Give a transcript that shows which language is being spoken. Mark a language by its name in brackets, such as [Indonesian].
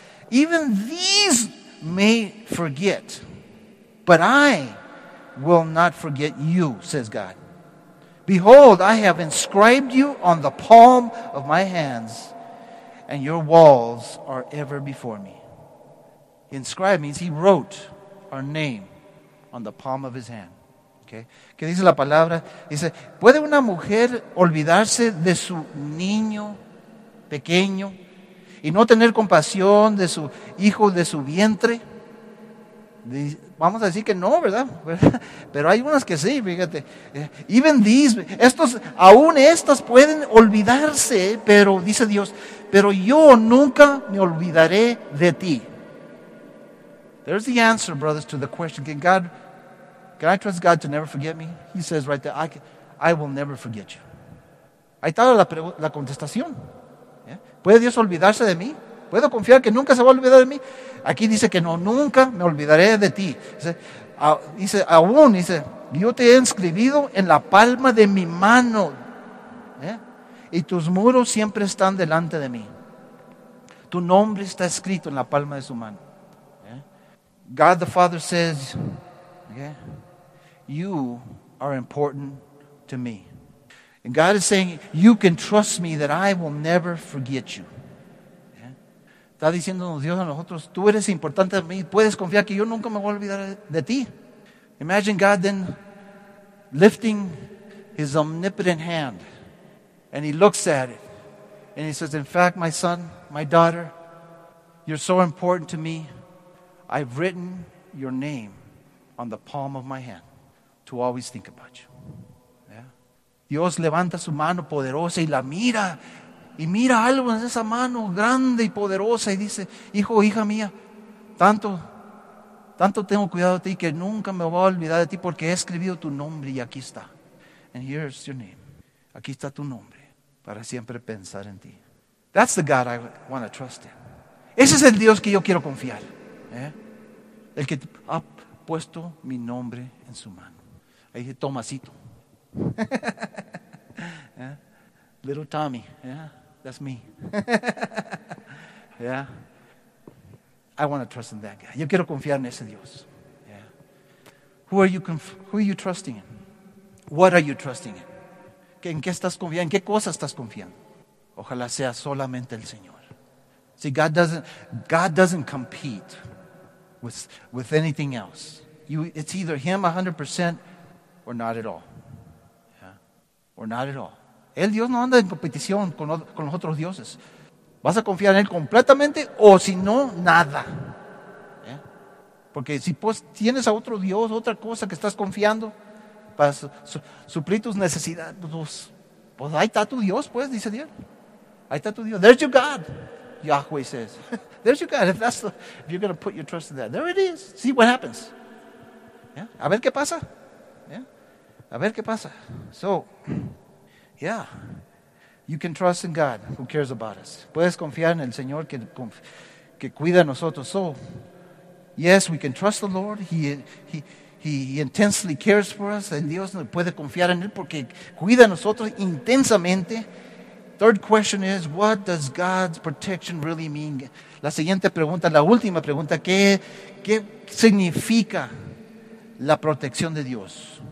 [English] Even these may forget, but I will not forget you, says God. Behold, I have inscribed you on the palm of my hands, and your walls are ever before me. Inscribed means he wrote our name on the palm of his hand. [Spanish] Okay? ¿Qué dice la palabra? Dice, ¿puede una mujer olvidarse de su niño pequeño y no tener compasión de su hijo, de su vientre? Vamos a decir que no, ¿verdad? Pero hay unas que sí, fíjate. [English] Even these, [Spanish] aún estas pueden olvidarse, pero dice Dios, pero yo nunca me olvidaré de ti. [English] There's the answer, brothers, to the question, can I trust God to never forget me? He says right there, I will never forget you. [Spanish] Ahí está la contestación. ¿Puede Dios olvidarse de mí? ¿Puedo confiar que nunca se va a olvidar de mí? Aquí dice que no, nunca me olvidaré de ti. Dice, yo te he inscribido en la palma de mi mano. ¿Eh? Y tus muros siempre están delante de mí. Tu nombre está escrito en la palma de su mano. ¿Eh? [English] God the Father says, okay, you are important to me. And God is saying, you can trust me that I will never forget you. [Spanish] Está diciéndonos Dios a nosotros, tú eres importante a mí, puedes confiar que yo nunca me voy a olvidar de ti. [English] Imagine God then lifting his omnipotent hand and he looks at it and he says, in fact, my son, my daughter, you're so important to me, I've written your name on the palm of my hand to always think about you. Yeah? [Spanish] Dios levanta su mano poderosa y la mira. Y mira algo en esa mano grande y poderosa y dice, hijo, hija mía, tanto tengo cuidado de ti que nunca me voy a olvidar de ti porque he escrito tu nombre y aquí está. [English] And here's your name. [Spanish] Aquí está tu nombre para siempre pensar en ti. [English] That's the God I want to trust in. [Spanish] Ese es el Dios que yo quiero confiar. ¿Eh? El que ha puesto mi nombre en su mano. Ahí dice, Tomasito. [English] ¿Eh? Little Tommy, yeah, that's me. Yeah, I want to trust in that guy. [Spanish] Yo quiero confiar en ese Dios. [English] Yeah. Who are you trusting in? What are you trusting in? [Spanish] ¿En qué estás confiando? ¿En qué cosas estás confiando? Ojalá sea solamente el Señor. [English] See, God doesn't compete with anything else. It's either Him 100% or not at all. Yeah, or not at all. [Spanish] El Dios no anda en competición con los otros dioses. ¿Vas a confiar en Él completamente o si no, nada? ¿Eh? Porque si pues, tienes a otro Dios, otra cosa que estás confiando para suplir tus necesidades, pues ahí está tu Dios, pues, dice Dios. Ahí está tu Dios. [English] There's your God, Yahweh says. There's your God. If you're going to put your trust in that, there it is. See what happens. [Spanish] ¿Eh? A ver qué pasa. ¿Eh? A ver qué pasa. [English] So, yeah, you can trust in God who cares about us. [Spanish] Puedes confiar en el Señor que cuida a nosotros. [English] So, yes, we can trust the Lord. He intensely cares for us. [Spanish] En Dios puede confiar en Él porque cuida a nosotros intensamente. [English] Third question is, what does God's protection really mean? [Spanish] La siguiente pregunta, la última pregunta, ¿qué significa la protección de Dios?